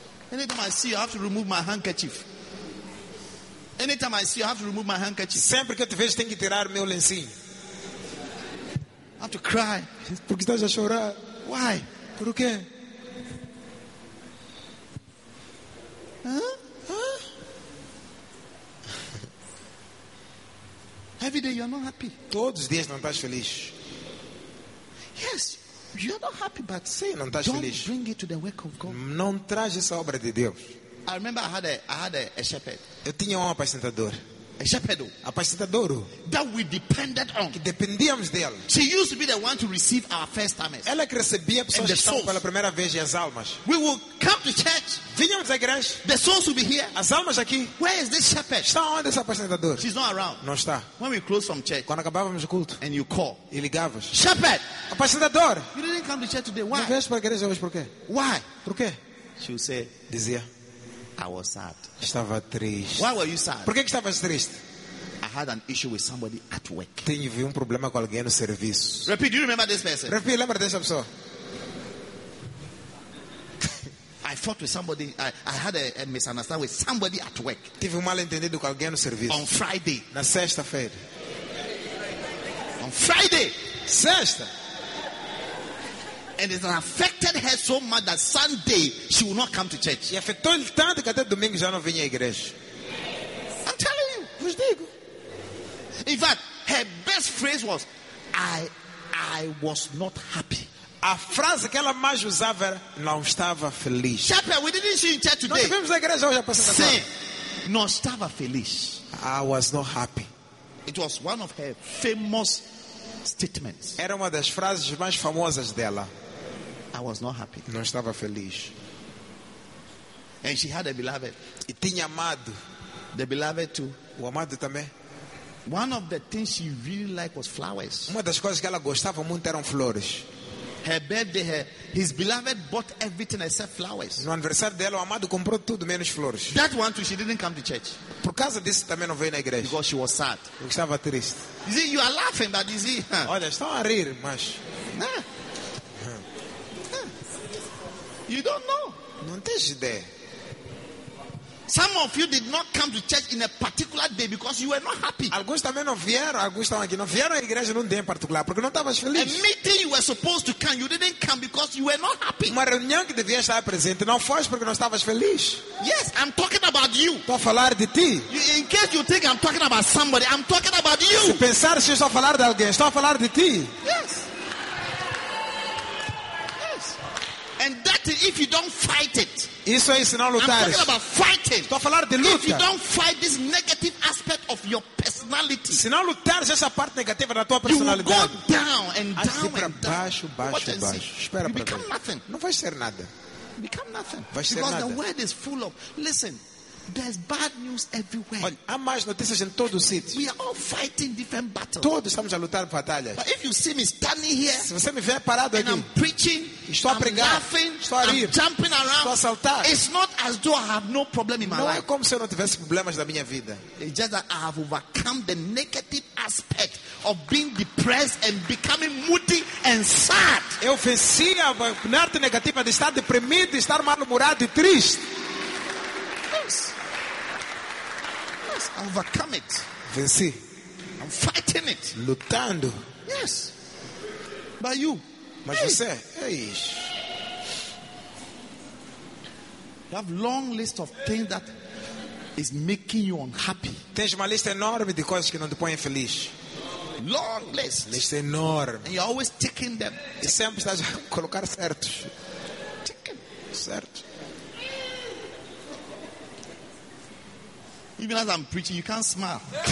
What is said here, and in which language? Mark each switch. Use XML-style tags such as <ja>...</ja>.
<en>Anytime I see you, I have to remove my handkerchief. Anytime I see you, I have to remove my handkerchief.</en> <pt>Sempre que eu te vejo, tenho que tirar meu lencinho.</pt> <en>I have to cry.</en> <pt>Porque estás a chorar?</pt> <en>Why?</en> <pt>Por quê? Huh?</pt> <en>Every day you are not happy.</en> <pt>Todos os dias não estás feliz.</pt> <en>Yes. You are not happy, but</en> <pt>sim, não estás</pt> <en>don't</en> <pt>feliz.</pt> <en>Bring it to the work of God.</en> <pt>Não traz essa obra de Deus.</pt> <en>I remember I had a shepherd.</en> <pt>Eu tinha um apacentador.</pt> <en>A shepherd.</en> <pt>Apacentador.</pt> <en>That we depended on.</en> <pt>Que dependíamos dele.</pt> <en>She used to be the one to receive our first timers.</en> <pt>Ela que recebia pessoas que estavam pela primeira vez e as almas.</pt> <en>We would come to church.</en> <pt>Vínhamos à igreja.</pt> <en>The souls would be here.</en> <pt>As almas aqui.</pt> <en>Where is this shepherd?</en> <pt>Está onde esse apacentador?</pt> <en>She's not around.</en> <pt>Não está.</pt> <en>When we close from church.</en> <pt>Quando acabávamos o culto.</pt> <en>And you call.</en> <pt>E ligavas.</pt> <en>Shepherd.</en> <pt>Apacentador.</pt> <en>You didn't come to church today. Why?</en> <pt>Não vieste para a igreja hoje por quê?</pt> <en>Why?</en> <pt>Por quê?</pt> <en>She would say.</en> <pt>Dizia.</pt> <en>I was sad.</en> <pt>Estava triste.</pt> <en>Why were you sad?</en> <pt>Por que estavas triste?</pt> <en>I had an issue with somebody at work.</en> <pt>Tive um problema com alguém no serviço.</pt> <en>Repeat, do you remember this person? Repeat,</en> <pt>lembra dessa pessoa?</pt> <en>I fought with somebody. I had a misunderstanding with somebody at work.</en> <pt>Tive um mal entendido com alguém no serviço.</pt> <en>On Friday.</en> <pt>Na sexta-feira.</pt> <en>On Friday.</en> <pt>Sexta.</pt> <en>And it affected her so much that Sunday she will not come to church.</en> <pt>E afetou-lhe tanto que até domingo já não vinha à igreja.</pt> <en>I'm telling you.</en> <pt>Vos digo.</pt> <en>In fact, her best phrase was, I was not happy.</en> <pt>A frase que ela mais usava era, não estava feliz.</pt> <en>Shepherd, we didn't see you in church today.</en> <pt>Nós tivemos a igreja hoje a passar. Sim. Não estava feliz.</pt> <en>I was not happy. It was one of her famous statements.</en> <pt>Era uma das frases mais famosas dela.</pt> <en>I was not happy.</en> <pt>Não estava feliz.</pt> <en>And she had a beloved.</en> <pt>E tinha amado.</pt> <en>The beloved too.</en> <pt>O amado também.</pt> <en>One of the things she really liked was flowers.</en> <pt>Uma das coisas que ela gostava muito eram flores.</pt> <en>Her birthday, his beloved bought everything except flowers.</en> <pt>No aniversário dela, o amado comprou tudo menos flores.</pt> <en>That one too, she didn't come to church.</en> <pt>Por causa disso, também não veio na igreja.</pt> <en>Because she was sad.</en> <pt>Porque estava triste.</pt> <en>You see, you are laughing, but you see. Huh?</en> <pt>Olha, estão a rir, mas.</pt> <en>Huh. You don't know.</en> <pt>Não tens ideia.</pt> <en>Some of you did not come to church in a particular day because you were not happy.</en> <pt>Alguns também não vieram, alguns também não vieram à igreja num dia em particular porque não estavas feliz.</pt> <en>A meeting you were supposed to come, you didn't come because you were not happy.</en> <pt>Uma reunião que devias estar presente, não foste porque não estavas feliz.</pt> <en>Yes, I'm talking about you.</en> <pt>Estou a falar de ti.</pt> <en>In case you think I'm talking about somebody, I'm talking about you.</en> <pt>Se pensares que estou a falar de alguém, estou a falar de ti.</pt> <en>Yes. And that if you don't fight it.</en> <pt>Isso aí, se não lutares.</pt> <en>I'm talking about fighting.</en> <pt>Estou a falar de luta.</pt> <en>If you don't fight this negative aspect of your personality.</en> <pt>Se não lutares essa parte negativa da tua personalidade.</pt> <en>You go down and down and down.</en> <pt>Baixo, baixo,</pt> <en>what</en> <pt>baixo. Espera para ver.</pt> <en>Nothing.</en> <pt>Não vai ser nada.</pt> <en>You become nothing.</en> <pt>Vai ser</pt> <en>because</en> <pt>nada.</pt> <en>The world is full of. Listen. There's bad news everywhere.</en> <pt>Olha, há más notícias em todo o sítio.</pt> <en>We are all fighting different battles.</en> <pt>Todos estamos a lutar batalhas.</pt> <en>But if you see me standing here,</en> <pt>se você me vê parado</pt> <en>and</en> <pt>aqui,</pt> <en>I'm preaching,</en> <pt>estou a pregar,</pt> <en>I'm laughing,</en> <pt>estou a rir,</pt> <en>I'm jumping around,</en> <pt>estou a saltar,</pt> <en>it's not as though I have no problem in my</en> <pt>não</pt> <en>life.</en> <pt>Não é como se eu não tivesse problemas na minha vida.</pt> <en>It's just that I have overcome the negative aspect of being depressed and becoming moody and sad.</en> <pt>Eu venci a parte negativa de estar deprimido, de estar mal-humorado e triste.</pt> <en>Yes, I overcome it.</en> <pt>Venci.</pt> <en>I'm fighting it.</en> <pt>Lutando.</pt> <en>Yes. By you.</en> <pt>Mas</pt> <en>hey.</en> <pt>Você.</pt> <en>Hey. You have long list of things that is making you unhappy.</en> <pt>Tens uma lista enorme de coisas que não te põem feliz.</pt> <en>Long list.</en> <pt>Lista enorme.</pt> <en>And you're always ticking them.</en> <pt>E sempre estás a colocar certos.</pt> <en>Ticking.</en> <pt>Certo.</pt> <en>Even as I'm preaching, you can't smile.</en>